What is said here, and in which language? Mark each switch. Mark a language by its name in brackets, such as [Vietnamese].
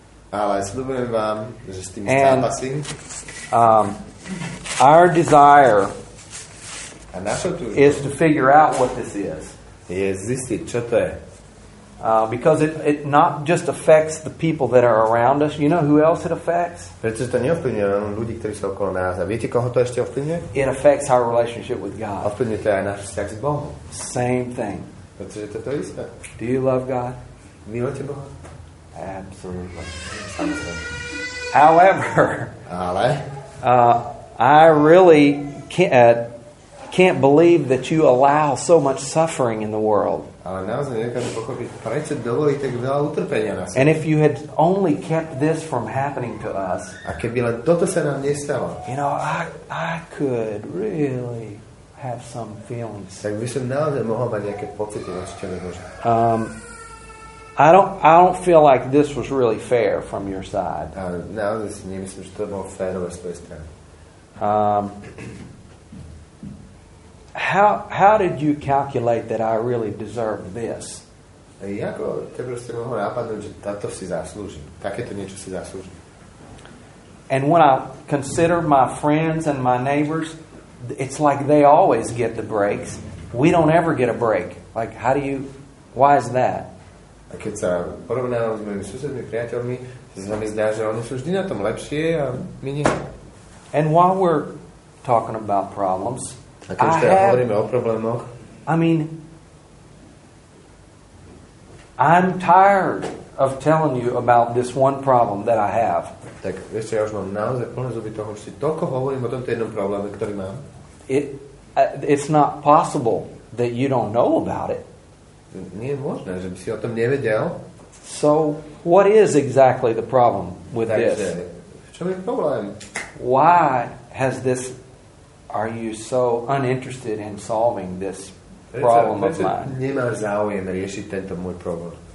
[Slovak] Ale sľubujem vám, že s tým zápasím. [English] Our desire is to figure out what this is. [Slovak] Je zistiť, čo to je. [English] Because it not just affects the people that are around us. You know who else it affects? [Slovak] Pretože to neovplyvňuje len ľudí, ktorí sú okolo nás. A viete, koho to ešte ovplyvňuje? [English] It affects our relationship with God. [Slovak] Ovplyvňuje to aj náš vzťah s Bohom. [English] Same thing. [Slovak] Pretože to je to isté. [English] Do you love God? [Slovak] Milujete Boha? [English] Absolutely. However, [Slovak] ale? [English] I really can't believe that you allow so much suffering in the world. [Slovak] Ale naozaj nechážem pochopiť, prečo dovolí tak veľa utrpenia na svete. [English] And if you had only kept this from happening to us. [Slovak] A keby len toto sa nám nestalo. [English] You know, I could really have some feelings. [Slovak] Tak by som naozaj mohol mať nejaké pocity na svete. [English] I don't feel like this was really fair from your side. [Slovak] A naozaj si nemyslím, že to bolo fair z tvojej strany. [English] How did you calculate that I really deserve this? [Slovak] Jako, ty proste mohol napadnúť, že táto si zaslúžim. Takéto niečo si zaslúžim. [English] And when I consider my friends and my neighbors, it's like they always get the breaks. We don't ever get a break. Like, how do you... Why is that? [Slovak] A keď sa porovnávam s mojimi susedmi, priateľmi, sa mi zdá, že oni sú vždy na tom lepšie a my nie. [English] And while we're talking about problems... [Slovak] A keď teda hovoríme o problémoch. [English] I mean, I'm tired of telling you about this one problem that I have. [Slovak] Tak vieš čo, ja už mám naozaj plné zuby toho, že si toľko hovorím o tomto jednom probléme, ktorý mám. [English] It's not possible that you don't know about it. [Slovak] Nie je možné, že by si o tom nevedel. [English] So, what is exactly the problem with [Slovak] Takže, [English] this? [Slovak] V čom je problém? [English] Why has this... Are you so uninterested in solving this problem of mine? [Slovak] Nemáš záujem riešiť tento môj problém.